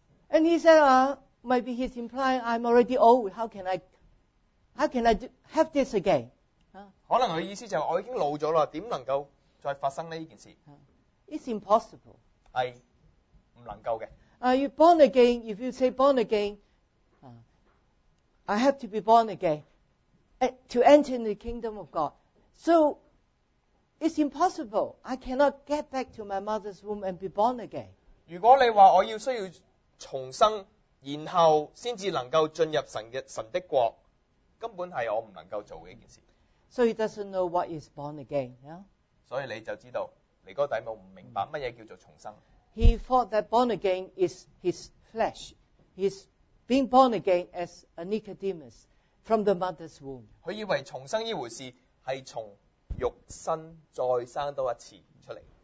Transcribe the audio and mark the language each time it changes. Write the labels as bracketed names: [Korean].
[English] And he said, maybe he's implying I'm already old. How can I have this again? [Chinese] 可能他的意思就是我已经老了，怎么能够再发生呢这件事？ [English] It's impossible. [Chinese] 是不能够的。 [English] You born again, if you say born again, I have to be born again to enter the kingdom of God. So, it's impossible. I cannot get back to my mother's womb and be born again. [Chinese] 如果你说我要需要重生，然后才能够进入神的国，根本是我不能够做的一件事。 [English] So he doesn't know what is born again. Yeah? [Chinese] 所以你就知道尼哥底母不明白什么叫做重生。 [English] He thought that born again is his flesh. He's being born again as a Nicodemus from the mother's womb. [Chinese] 他以为重生这回事是从肉身再生多一次出来。